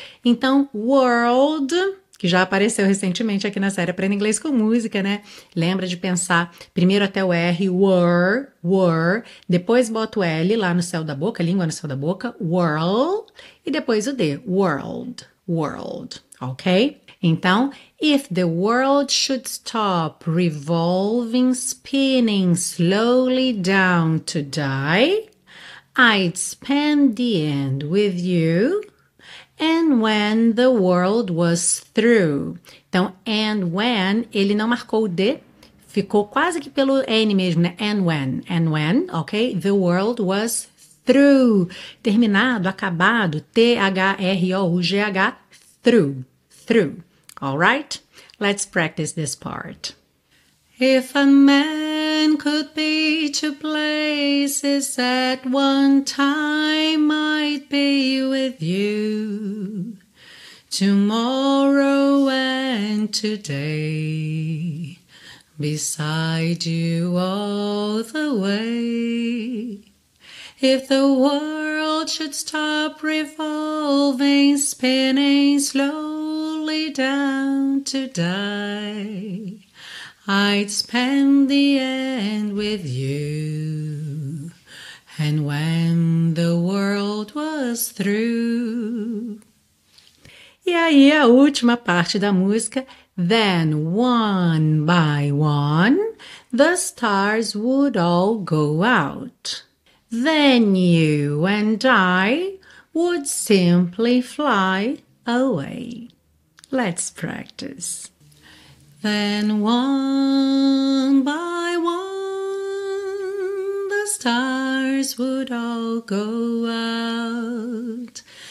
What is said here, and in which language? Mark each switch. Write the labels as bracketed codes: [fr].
[pt] Então, world, que já apareceu recentemente aqui na série Aprenda Inglês com Música, né? Lembra de pensar primeiro até o R, were, depois bota o L lá no céu da boca, língua no céu da boca, world, e depois o D, world, ok? Então, [en] if the world should stop revolving, spinning slowly down to die, I'd spend the end with you. And when the world was through. [pt] Então, [en] and when, [pt] ele não marcou o D, ficou quase que pelo N mesmo, né? [en] And when, ok? The world was through. [pt] Terminado, acabado, [en] THROUGH, through. All right? Let's practice this part. If a man could be two places at one time, I'd be with you tomorrow and today, beside you all the way. If the world should stop revolving, spinning slowly down to die, I'd spend the end with you. And when the world was through. [pt] E aí, a última parte da música. [en] Then, one by one, the stars would all go out. Then you and I would simply fly away. Let's practice. Then one by one, the stars would all go out.